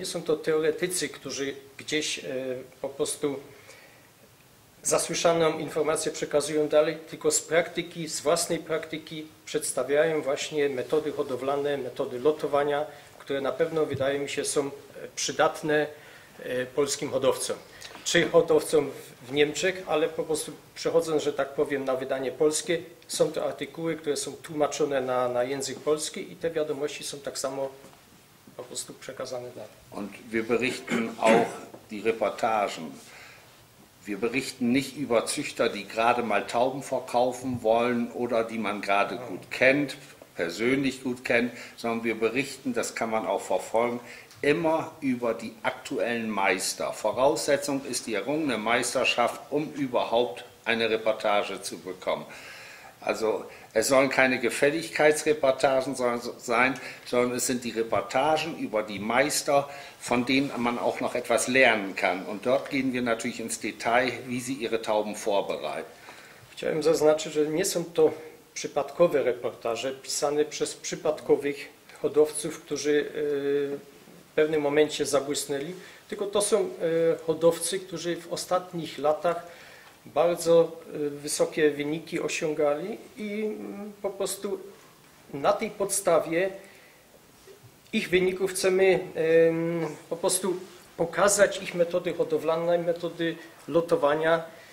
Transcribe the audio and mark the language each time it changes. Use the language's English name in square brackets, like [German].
[Polish] Nie są to teoretycy, którzy gdzieś po prostu zasłyszaną informację przekazują dalej, tylko z praktyki, z własnej praktyki przedstawiają właśnie metody hodowlane, metody lotowania, które na pewno wydaje mi się są przydatne polskim hodowcom, czy hodowcom w Niemczech, ale po prostu przechodząc, że tak powiem, na wydanie polskie, są to artykuły, które są tłumaczone na język polski i te wiadomości są tak samo po prostu przekazane dalej. [German] Und wir berichten auch die Reportagen. Wir berichten nicht über Züchter, die gerade mal Tauben verkaufen wollen oder die man gerade gut kennt, persönlich gut kennt, sondern wir berichten, das kann man auch verfolgen, immer über die aktuellen Meister. Voraussetzung ist die errungene Meisterschaft, um überhaupt eine Reportage zu bekommen. Also es sollen keine Gefälligkeitsreportagen sein, sondern es sind die Reportagen über die Meister, von denen man auch noch etwas lernen kann. Und dort gehen wir natürlich ins Detail, wie sie ihre Tauben vorbereiten. [Polish] Chciałem zaznaczyć, że nie są to przypadkowe reportaże pisane przez przypadkowych hodowców, którzy w pewnym momencie zabłysnęli, tylko to są hodowcy, którzy w ostatnich latach bardzo wysokie wyniki osiągali i po prostu na tej podstawie ich wyników chcemy po prostu pokazać ich metody hodowlane, metody lotowania.